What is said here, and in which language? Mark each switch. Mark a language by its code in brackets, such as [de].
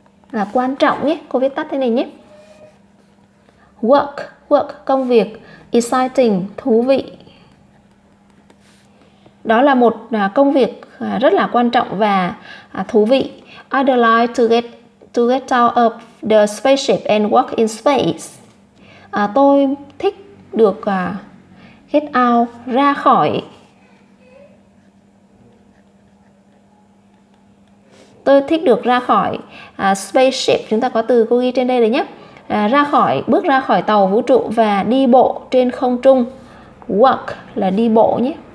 [vi] Là quan trọng nhé. Cô viết tắt thế này nhé. Work, công việc. Exciting, thú vị. Đó là một công việc rất là quan trọng và thú vị. [en] I'd like to get out of the spaceship and work in space. [vi] Tôi thích được get out, ra khỏi. Tôi thích được ra khỏi spaceship, chúng ta có từ cô ghi trên đây rồi nhé. Bước ra khỏi tàu vũ trụ và đi bộ trên không trung. Walk là đi bộ nhé.